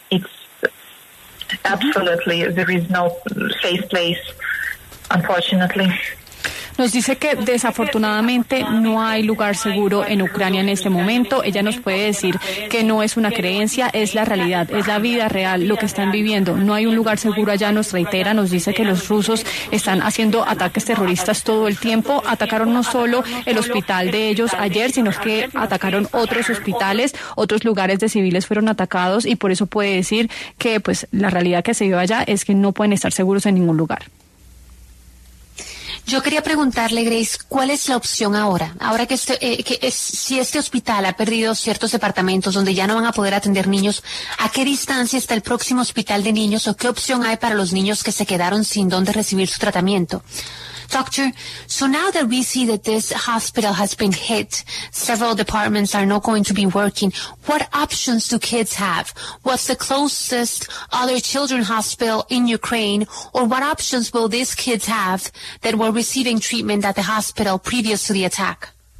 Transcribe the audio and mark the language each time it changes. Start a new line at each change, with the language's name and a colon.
English: It's absolutely, there is no safe place, unfortunately.
Spanish: Nos dice que desafortunadamente no hay lugar seguro en Ucrania en este momento. Ella nos puede decir que no es una creencia, es la realidad, es la vida real lo que están viviendo. No hay un lugar seguro allá, nos reitera, nos dice que los rusos están haciendo ataques terroristas todo el tiempo. Atacaron no solo el hospital de ellos ayer, sino que atacaron otros hospitales, otros lugares de civiles fueron atacados, y por eso puede decir que pues la realidad que se vive allá es que no pueden estar seguros en ningún lugar. Yo quería preguntarle, Grace, ¿cuál es la opción ahora? Ahora que si este hospital ha perdido ciertos departamentos donde ya no van a poder atender niños, ¿a qué distancia está el próximo hospital de niños o qué opción hay para los niños que se quedaron sin dónde recibir su tratamiento?
English: Doctor, so now that we see that this hospital has been hit, several departments are not going to be working, what options do kids have? What's the closest other children's hospital in Ukraine, or what options will these kids have that were receiving treatment at the hospital previous to the attack?